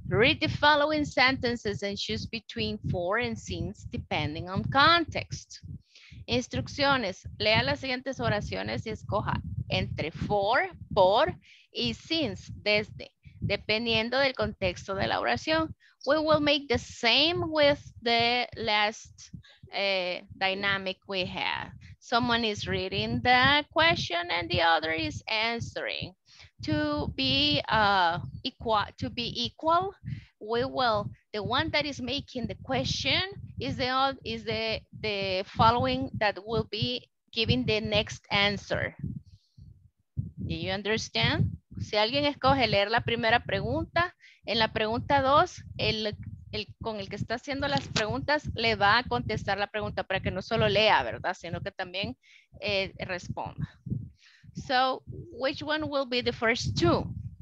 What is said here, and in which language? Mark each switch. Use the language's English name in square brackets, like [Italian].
[English] Read the following sentences and choose between for and since depending on context. [Spanish] Instrucciones. Lea las siguientes oraciones y escoja entre for, por y since, desde, dependiendo del contexto de la oración. [English] We will make the same with the last dynamic we have. Someone is reading the question and the other is answering. To be equal, we will, the one that is making the question is the following that will be giving the next answer. Do you understand? [Spanish] Si alguien escoge leer la primera pregunta, en la pregunta 2, el con el que está haciendo las preguntas le va a contestar la pregunta para que no solo lea, ¿verdad? Sino que también responda. [English] So, which one will be the first two?